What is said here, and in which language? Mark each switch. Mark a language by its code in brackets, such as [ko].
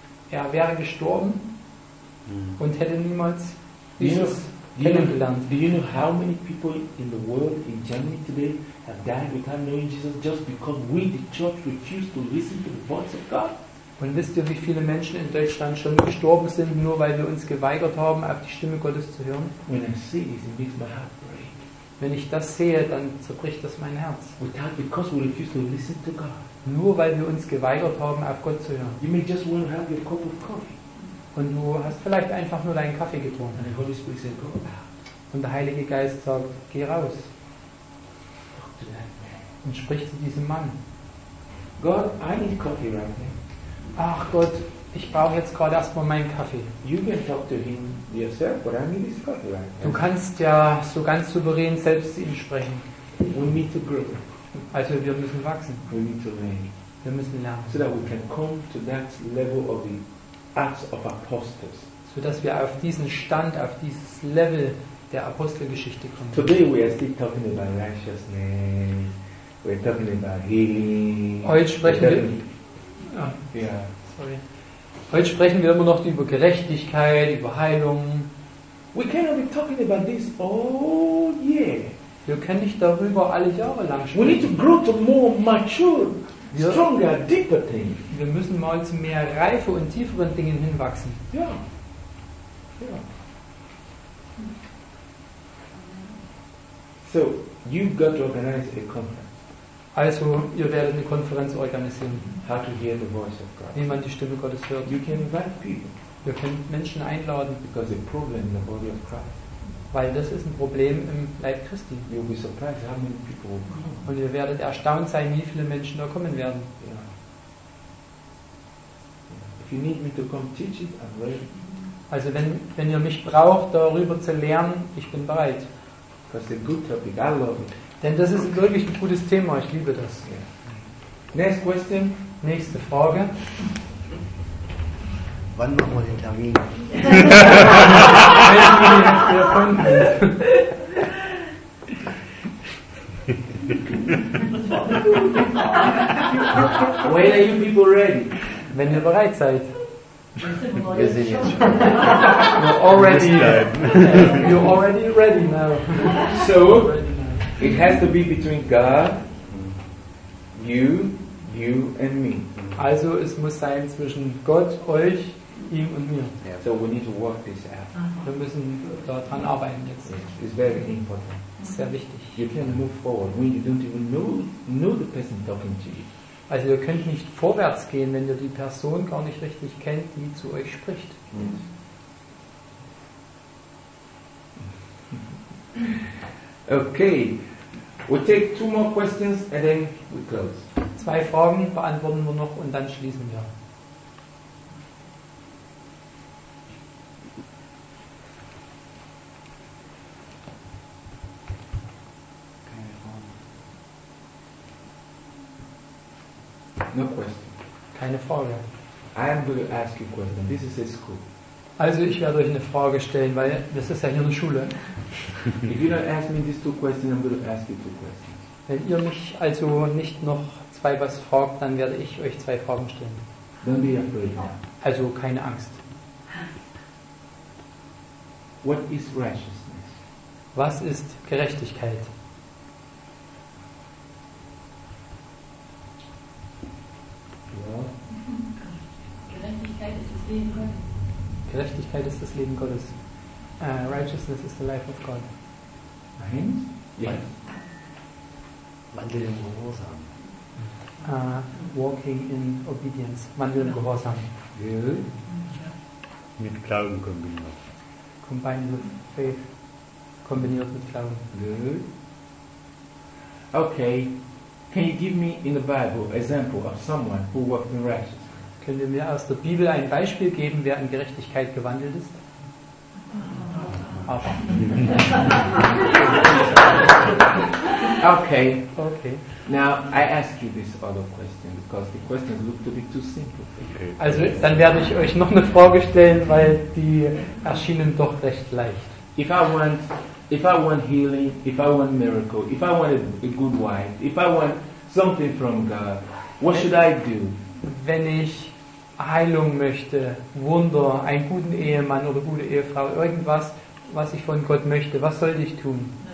[de] Er wäre gestorben und hätte niemals Jesus kennengelernt. [en] Do you know how many people in the world, in Germany today, have died without knowing Jesus just because we, the church, refused to listen to the voice of God? [de] Und wisst ihr, wie viele Menschen in Deutschland schon gestorben sind, nur weil wir uns geweigert haben, auf die Stimme Gottes zu hören? [en] When I see this, it makes my heart. [de] Wenn ich das sehe, dann zerbricht das mein Herz. [en] Without, because we refuse to listen to God. [de] Nur weil wir uns geweigert haben, auf Gott zu hören. [en] You may just want to have your cup of coffee. [de] Und du hast vielleicht einfach nur deinen Kaffee getrunken. [en] And the Holy Spirit said, go out. [de] Und der Heilige Geist sagt: Geh raus. [en] Talk to that man. [de] Und sprich zu diesem Mann. [en] God, I need coffee right now. [de] Ach Gott, ich brauche jetzt gerade erstmal meinen Kaffee. [en] You can talk to him yourself, but I need his coffee right now. [de] Du kannst ja so ganz souverän selbst zu ihm sprechen. [en] We need to grow. [de] Also wir müssen wachsen. [en] We need to learn. [de] Wir müssen lernen. [en] So that we can come to that level of the Acts of Apostles. [de] So dass wir auf diesen Stand, auf dieses Level der Apostelgeschichte kommen. [en] Today we are still talking about righteousness. We are talking about healing. [de] Heute sprechen wir. [en] Sorry. [de] Heute sprechen wir immer noch über Gerechtigkeit, über Heilung. [en] We cannot be talking about this all year. [de] Wir können nicht darüber alle Jahre lang sprechen. [en] We need to grow to more mature, stronger, deeper things. [de] Wir müssen mal zu mehr Reife und tieferen Dingen hinwachsen. Ja. [en] So, you've got to organize a conference. [de] Also, ihr werdet eine Konferenz organisieren. [en] How to hear the voice of God. [de] Wie man die Stimme Gottes hört. [en] You can invite people. [de] Wir können Menschen einladen. [en] Because a problem in the body of Christ. [de] Weil das ist ein Problem im Leib Christi. [en] You'll be surprised how many people will come. [de] Und ihr werdet erstaunt sein, wie viele Menschen da kommen werden. [en] Yeah. If you need me to come teach it, I'm ready. [de] Also, wenn ihr mich braucht, darüber zu lernen, ich bin bereit. [en] Because it's a good topic, I love it. [de] Denn das ist wirklich ein gutes Thema. Ich liebe das. [en] Yeah. Next question. [de] Nächste Frage. Wann machen wir den Termin? [en] When are you people ready? [de] Wenn ihr bereit seid. Wir sind jetzt schon. [en] You're already ready now. So, it has to be between God, you and me. [de] Also, es muss sein zwischen Gott, euch, ihm und mir. [en] Yeah. So we need to work this out. [de] Wir müssen daran arbeiten jetzt. Yeah. [en] It's very important. [de] Sehr wichtig. [en] You can move forward when you don't even know the person talking to you. [de] Also ihr könnt nicht vorwärts gehen, wenn ihr die Person gar nicht richtig kennt, die zu euch spricht. [en] Okay, we'll take two more questions and then we close. [de] Zwei Fragen beantworten wir noch und dann schließen wir. [en] No question. [de] Keine Frage. [en] I am going to ask you a question. This is a school. [de] Also ich werde euch eine Frage stellen, weil das ist ja hier eine Schule. [en] If you don't ask me these two questions, I'm going to ask you two questions. [de] Wenn ihr mich also nicht noch zwei was fragt, dann werde ich euch zwei Fragen stellen. [en] Don't be afraid. [de] Also keine Angst. [en] What is righteousness? [de] Was ist Gerechtigkeit? Gerechtigkeit ist das Leben Gottes. [en] Righteousness is the life of God. [de] Nein? Ja. Wandel im Gehorsam. [en] Walking in obedience. [de] Wandel im Gehorsam. [en] Will? [de] Mit Glauben kombiniert. [en] Combined with faith. [de] Kombiniert mit Glauben. [en] Will? Okay. Can you give me in the Bible an example of someone who walked in righteousness? [de] Könnt ihr mir aus der Bibel ein Beispiel geben, wer in Gerechtigkeit gewandelt ist? [en] Okay. Now I ask you this other question because the questions look to be too simple. [de] Also dann werde ich euch noch eine Frage stellen, weil die erschienen doch recht leicht. [en] If I want healing, if I want miracle, if I want a good wife, if I want something from God, what should I do? [de] Wenn ich Heilung möchte, Wunder, einen guten Ehemann oder gute Ehefrau, irgendwas, was ich von Gott möchte, was sollte ich tun?